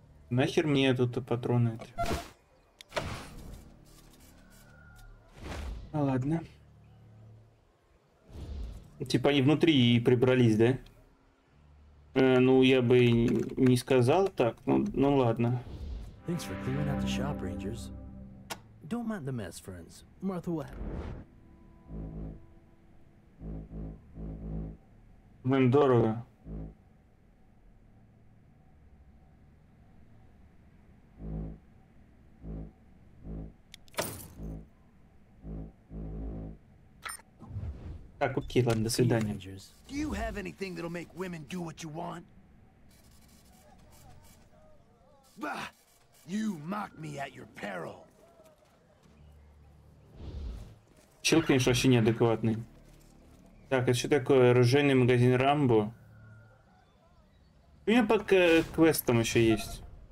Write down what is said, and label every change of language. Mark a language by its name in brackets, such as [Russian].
[Russian] Нахер мне тут патроны. Ну, ладно. Типа они внутри и прибрались, да? Ну я бы не сказал так. Ну, ну ладно. [English] Don't mind the mess, friends. Martha Webb. [Russian] Мэм, дорого. Так, окей, ладно, до свидания. [English] Do you have anything that'll make women do what you want? Bah! You mock me at your peril. [Russian] Человек, конечно, вообще неадекватный. Так, а что такое? Оружейный магазин Рамбо? У меня пока квест там еще есть.